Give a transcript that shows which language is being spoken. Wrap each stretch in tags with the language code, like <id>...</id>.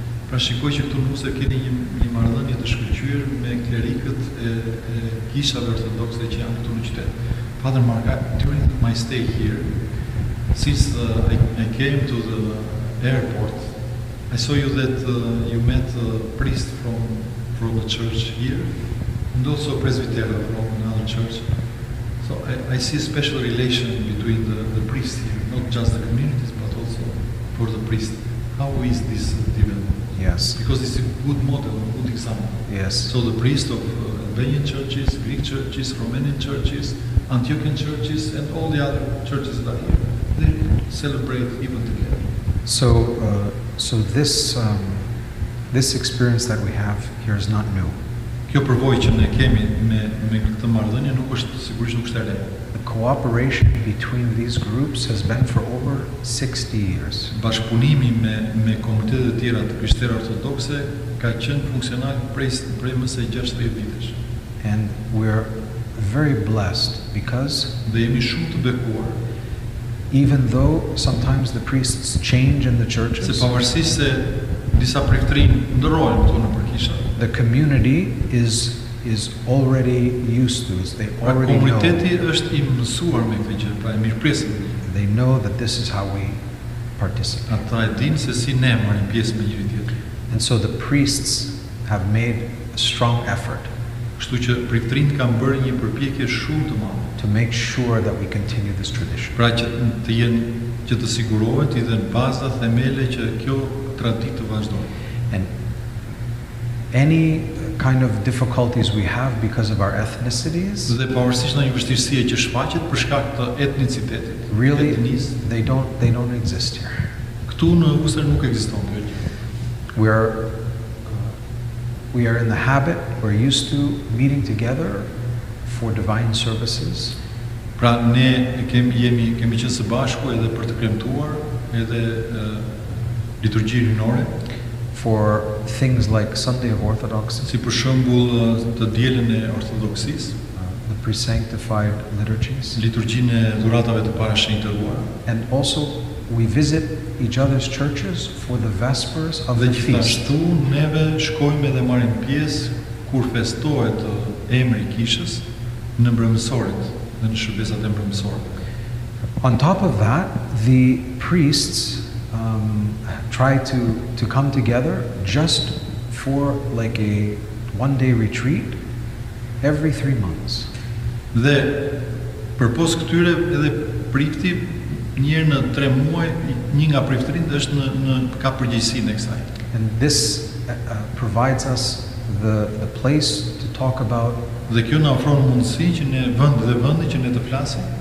<sq>Pra shikoj që këtu në Worcester keni një marrëdhënie të shkëlqyer me klerikët e kishave ortodokse që janë këtu në qytet.</sq> <en>Father Mark, during my stay here, since I came to the airport, I saw you that you met a priest from the church here, and also a presbyter from another church. So I see a special relation between the priest here, not just the communities, but also for the priest. How is this development? Yes. Because it's a good model, a good example. Yes. So the priest of Albanian churches, Greek churches, Romanian churches, Antiochian churches, and all the other churches that are here, they celebrate even together. So this experience that we have here is not new.</en> <sq>Kjo përvojë që ne kemi me këtë marrëdhënie nuk është sigurisht nuk është e re.</sq> <en>The cooperation between these groups has been for over 60 years.</en> <sq>Bashkëpunimi me komunitetet e tjera të krishterë ortodokse ka qenë funksional prej më së 60 vitesh.</sq> <en>And we're very blessed because</en> <sq>ne jemi shumë të bekuar.</sq> <en>Even though sometimes the priests change in the churches,</en> <sq>pavarësisht disa priftërinë ndrohen këtu në kishë,</sq> <en>the community is already used to it. They already know.</en> <sq>Komuniteti është I mësuar me këtë gjë, pra e mirëpresin.</sq> <en>They know that this is how we participate.</en> <sq>Ata e dinë se si ne marrim pjesë me njëri tjetrin.</sq> <en>And so the priests have made a strong effort.</en> <sq>Kështu që priftërinë kanë bërë një përpjekje shumë të madhe</sq> <en>to make sure that we continue this tradition.</en> <sq>Pra që të jenë që të sigurohet I dhënë baza themele që kjo traditë të vazhdojë.</sq> <en>And any kind of difficulties we have because of our ethnicities?</en> <sq>Dhe pavarësisht ndonjë vështirësie që shfaqet për shkak të etnicitetit.</sq> <en>Really? They don't exist here.</en> <sq>Këtu në Worcester nuk ekziston kjo.</sq> <en>We are in the habit, we're used to meeting together for divine services.</en> <sq>Pra ne kemi qenë së bashku edhe për të premtuar edhe liturgji rinore</sq> <en>for things like Sunday of Orthodoxy.</en> <sq>Si për shembull të dielën e ortodoksisë,</sq> <en>the pre-sanctified liturgies.</en> <sq>Liturgjinë e dhuratave të parashenjtëruara.</sq> <en>And also we visit each other's churches for the vespers of the feast.</en> <sq>Gjithashtu neve shkojmë dhe marrim pjesë kur festohet emri I kishës në mbrëmësorit, në shërbesat e mbrëmësorit.</sq> <en>On top of that, the priests try to come together just for like a one day retreat every 3 months.</en> <sq>Dhe përpos këtyre edhe prifti një herë në 3 muaj një nga priftërinë është në ka përgjegjësinë kësaj.</sq> <en>And this provides us the place to talk about</en> <sq>dhe kjo na ofron mundësi që ne vend dhe vendi që ne të flasim</sq>